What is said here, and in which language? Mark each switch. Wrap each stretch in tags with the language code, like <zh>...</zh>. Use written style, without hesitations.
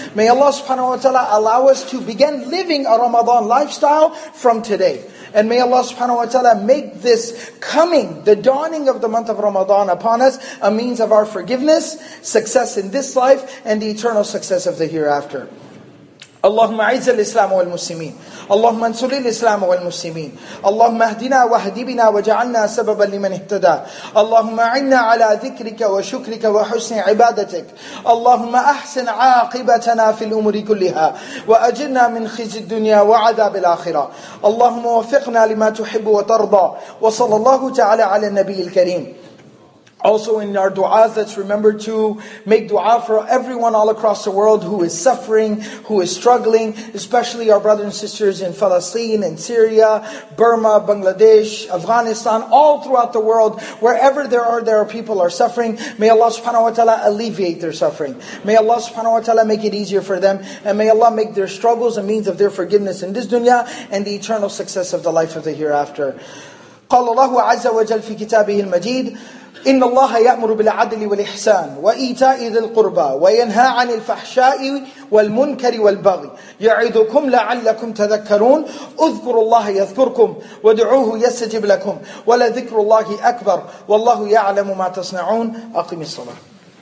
<en>May Allah subhanahu wa ta'ala allow us to begin living a Ramadan lifestyle from today. And may Allah subhanahu wa ta'ala make this coming, the dawning of the month of Ramadan upon us, a means of our forgiveness, success in this life, and the eternal success of the hereafter.</en> <ar>اللهم أعز الإسلام والمسلمين اللهم انصر الإسلام والمسلمين اللهم اهدنا واهد بنا وجعلنا سببا لمن اهتدى اللهم عنا على ذكرك وشكرك وحسن عبادتك اللهم أحسن عاقبتنا في الأمور كلها وأجرنا من خزي الدنيا وعذاب الآخرة اللهم وفقنا لما تحب وترضى وصلى الله تعالى على النبي الكريم.</ar> <en>Also in our du'as, let's remember to make du'a for everyone all across the world who is suffering, who is struggling, especially our brothers and sisters in Palestine, in Syria, Burma, Bangladesh, Afghanistan, all throughout the world, wherever there are people are suffering. May Allah subhanahu wa ta'ala alleviate their suffering. May Allah subhanahu wa ta'ala make it easier for them. And may Allah make their struggles a means of their forgiveness in this dunya and the eternal success of the life of the hereafter.</en> <ar>قال الله عز وجل في كتابه المجيد: إن الله يأمر بالعدل والإحسان وإيتاء ذي القربى وينهى عن الفحشاء والمنكر والبغي يعظكم لعلكم تذكرون اذكروا الله يذكركم ودعوه يستجب لكم ولذكر الله أكبر والله يعلم ما تصنعون. أقم الصلاة.</ar>